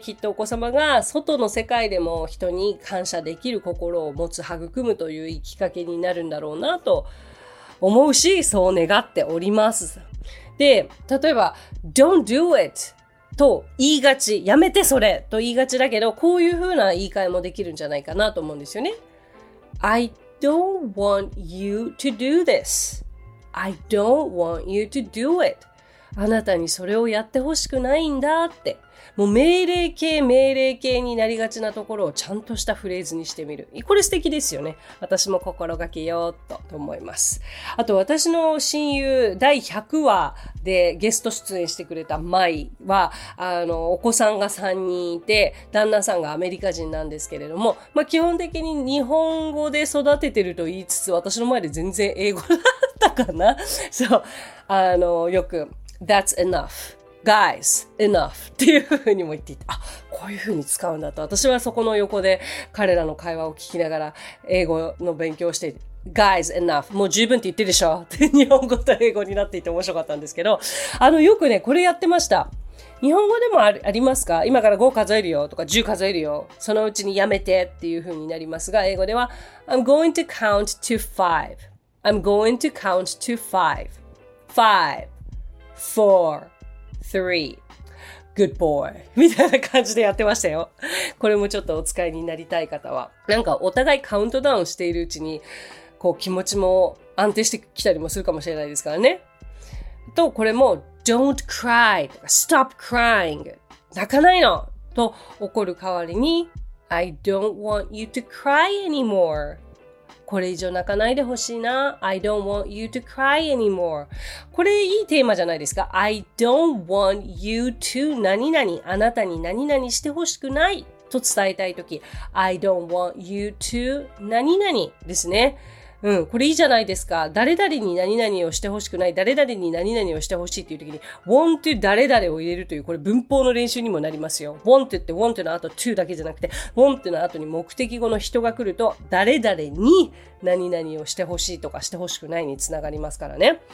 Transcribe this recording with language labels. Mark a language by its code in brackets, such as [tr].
[ja] きっとお子様が外の世界でも人に感謝できる心を持つ、育むという生きかけになるんだろうなと思うし、そう願っております。で、例えば [en] Don't do it [ja] と言いがち、やめてそれと言いがちだけど、こういう風な言い換えもできるんじゃないかなと思うんですよね。 [en] I don't want you to do this. I don't want you to do it. [ja] あなたにそれをやってほしくないんだって、もう命令形命令形になりがちなところをちゃんとしたフレーズにしてみる、これ素敵ですよね。私も心がけようと思います。あと私の親友、第100話でゲスト出演してくれたマイは、お子さんが3人いて、旦那さんがアメリカ人なんですけれども、まあ、基本的に日本語で育ててると言いつつ、私の前で全然英語だったかな。そう、よく [en] That's enoughGuys, enough [ja] っていう風にも言っていて、あ、こういう風に使うんだと。私はそこの横で彼らの会話を聞きながら英語の勉強をして、 [en] Guys, enough. [ja] もう十分って言ってるでしょって日本語と英語になっていて面白かったんですけど、よくね、これやってました。日本語でもありますか？今から5数えるよとか10数えるよ。そのうちにやめてっていう風になりますが、英語では、 [en] I'm going to count to five. I'm going to count to five. Five. Four. Three. Good boy. [ja] みたいな感じでやってましたよ。これもちょっとお使いになりたい方は。なんかお互いカウントダウンしているうちに、こう気持ちも安定してきたりもするかもしれないですからね。と、これも、 [en] Don't cry. Stop crying. [ja] 泣かないの！と怒る代わりに、 [en] I don't want you to cry anymore. [ja] これ以上泣かないでほしいな。 [en] I don't want you to cry anymore. [ja] これいいテーマじゃないですか。 [en] I don't want you to 何々。 [ja] あなたに何々してほしくない。と伝えたいとき。 [en] I don't want you to 何々ですね。 [ja] うん。これいいじゃないですか。誰々に何々をしてほしくない。誰々に何々をしてほしいっていうときに、want to 誰々を入れるという、これ文法の練習にもなりますよ。 want to って want の後 to だけじゃなくて、want の後に目的語の人が来ると、誰々に何々をしてほしいとかしてほしくないにつながりますからね。